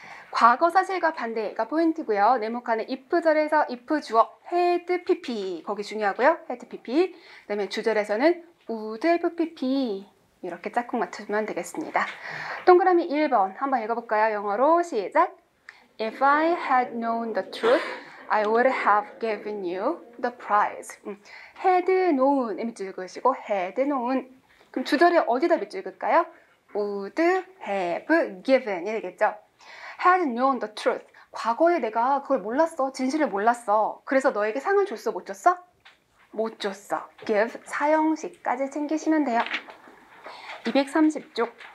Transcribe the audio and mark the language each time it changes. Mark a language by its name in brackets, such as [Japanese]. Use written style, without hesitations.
[Korean] 과거 사실과 반대가 포인트고요. 네모칸에 if 절에서 if 주어 had pp 거기 중요하고요. had pp. 그다음에 주절에서는 would have pp 이렇게 짝꿍 맞춰주면 되겠습니다. 동그라미 1번 한번 읽어볼까요? 영어로 시작. [English] If I had known the truth, I would have given you the prize. [Korean] Had known 밑줄 그으시고 had known. 그럼 주절에 어디다 밑줄 그을까요? [English] Would have given [Korean] 이 되겠죠. [English] Had known the truth. [Korean] 과거에 내가 그걸 몰랐어. 진실을 몰랐어. 그래서 너에게 상을 줬어? 못 줬어? 못 줬어. Give 사형식까지 챙기시면 돼요. 230쪽.